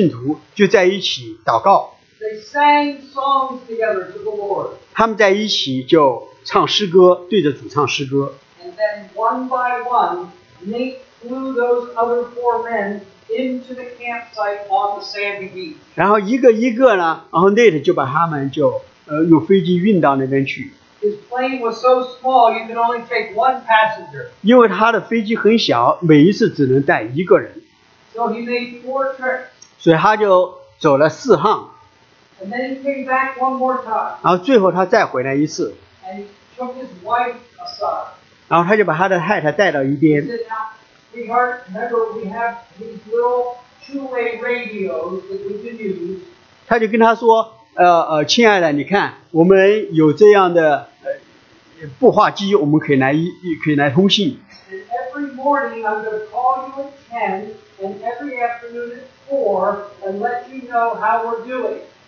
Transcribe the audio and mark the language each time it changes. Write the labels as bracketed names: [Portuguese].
[Chinese] 那一天，宣教士和他们的妻子，还有其他的一些的信徒，就在一起祷告。 [English] They sang songs together to the Lord. [Chinese] 他们在一起就唱诗歌，对着主唱诗歌。 [English] And then one by one, Nate flew those other four men into the campsite on the sandy beach. [Chinese] 然后一个一个呢，然后 Nate 就把他们就用飞机运到那边去。 [English] His plane was so small, you could only take one passenger. [Chinese] 因为他的飞机很小， 每一次只能带一个人。 [English] So he made four trips. [Chinese] 所以他就走了四趟。 [English] And then he came back one more time. [Chinese] 然后最后他再回来一次。 [English] And he took his wife aside. [Chinese] 然后他就把他的太太带到一边。 [English] He said, "Remember, we have these little two-way radios that we can use." [Chinese] 他就跟他说， 亲爱的，你看，我们有这样的步话机，我们可以来通信。 [English] Every morning I'm going to call you at 10 and every afternoon at 4 and let you know how we're doing.